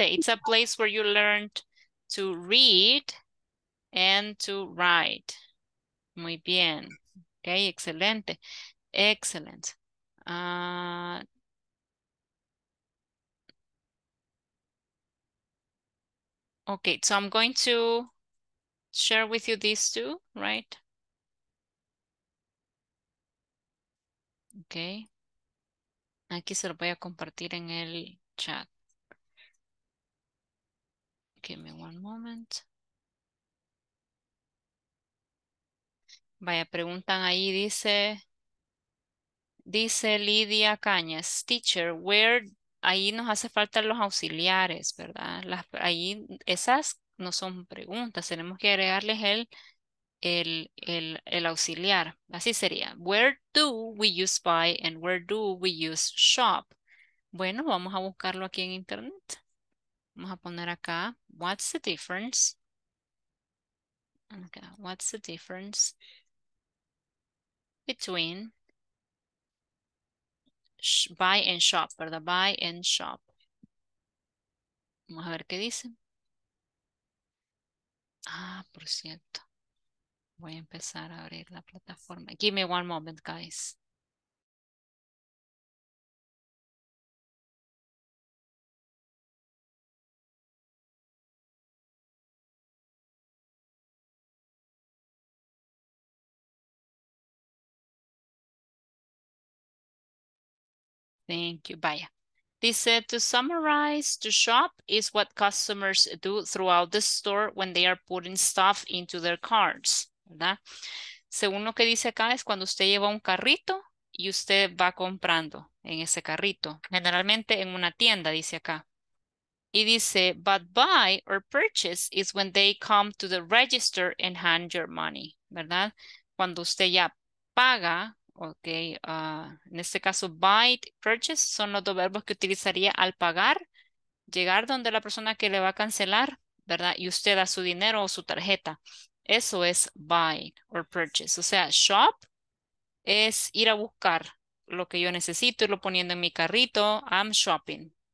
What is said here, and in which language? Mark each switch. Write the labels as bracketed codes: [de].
[en] It's a place where you learned to read and to write. [es] Muy bien. [en] Okay, excelente. Excellent. Okay, so I'm going to share with you these two, right? [es] Okay, aquí se lo voy a compartir en el chat. [en] Give me one moment. [es] Vaya, preguntan ahí, dice Lidia Cañas, teacher, where, ahí nos hace falta los auxiliares, ¿verdad? Ahí esas no son preguntas, tenemos que agregarles el auxiliar, así sería. [en] Where do we use buy and where do we use shop? [es] Bueno, vamos a buscarlo aquí en internet. Vamos a poner acá, [en] what's the difference? Okay, what's the difference between buy and shop, [es] ¿verdad? Buy and shop. Vamos a ver qué dice. Ah, por cierto. Voy a empezar a abrir la plataforma. [en] Give me one moment, guys. Thank you, bye. They said, to summarize, to shop is what customers do throughout the store when they are putting stuff into their carts. [es] ¿Verdad? Según lo que dice acá, es cuando usted lleva un carrito y usted va comprando en ese carrito, generalmente en una tienda, dice acá. Y dice, [en] but buy or purchase is when they come to the register and hand your money, ¿verdad? [es] Cuando usted ya paga, ok, en este caso, buy, purchase, son los dos verbos que utilizaría al pagar, llegar donde la persona que le va a cancelar, ¿verdad? Y usted da su dinero o su tarjeta. Eso es buy or purchase. O sea, shop es ir a buscar lo que yo necesito, irlo poniendo en mi carrito. [en] I'm shopping.